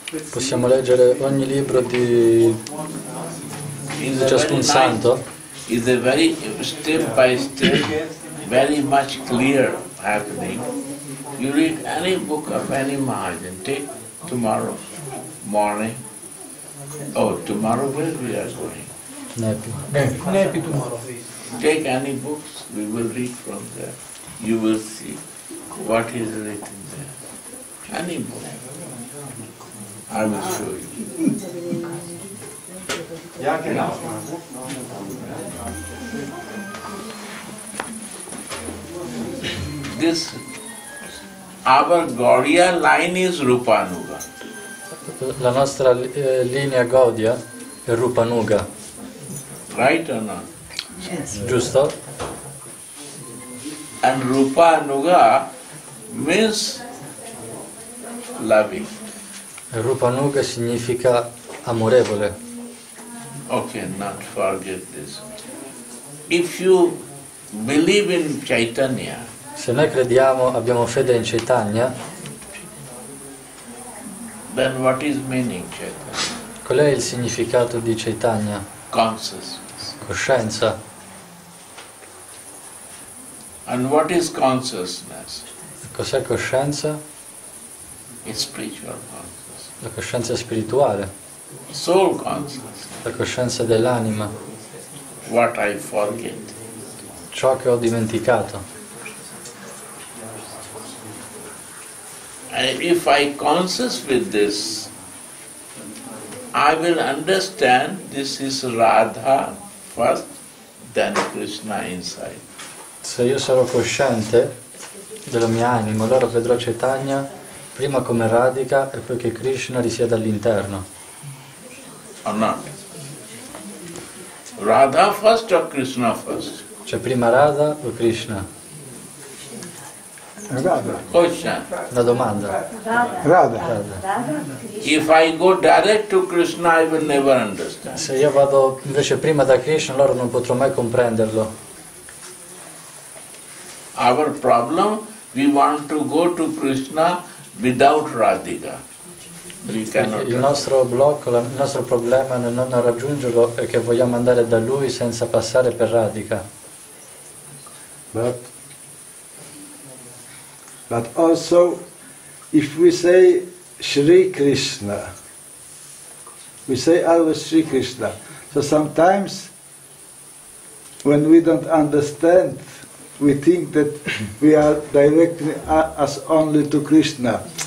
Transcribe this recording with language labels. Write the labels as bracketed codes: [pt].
[it] Possiamo leggere ogni libro di ciascun santo. [en] Is a very step by step, very much clear happening. You read any book of any Maharaja. Take tomorrow morning. Oh, tomorrow where we are going? Nepi tomorrow. Take any books. We will read from there. You will see what is written there. Any book. I will show you. This, our Gaudiya line is Rupanuga. [it] La nostra linea Gaudiya è Rupanuga. [en] Right or not? Yes. [it] Giusto? [en] And Rupanuga means loving. [it] Rupanuga significa amorevole. [en] Okay, not forget this. If you believe in Chaitanya. [it] Se noi crediamo, abbiamo fede in Chaitanya. [en] Then what is meaning Chaitanya? [it] Qual è il significato di Chaitanya? [en] Consciousness. [it] Coscienza. [en] And what is consciousness? [it] Cos'è coscienza? [en] It's spiritual consciousness. [it] La coscienza spirituale. [en] Soul consciousness. [it] La coscienza dell'anima. [en] What I forget. [it] Ciò che ho dimenticato. [en] And if I conscious with this, I will understand this is Radha first, then Krishna inside. [it] Se io sarò cosciente della mia anima, allora vedrò Chaitanya prima come radica e poi che Krishna risieda all'interno. [en] Or not? Radha first or Krishna first? [it] C'è prima Radha o Krishna? [en] Radha. Question. [it] La domanda. [en] Radha. Radha. If I go direct to Krishna, I will never understand. [it] Se io vado invece prima da Krishna, allora non potrò mai comprenderlo. [en] Our problem, we want to go to Krishna without Radhika. [it] Il nostro problema nel non raggiungerlo è che vogliamo andare da lui senza passare per Radhika. [en] But also if we say Shri Krishna, we say our Shri Krishna. So sometimes when we don't understand, we think that we are directing us only to Krishna.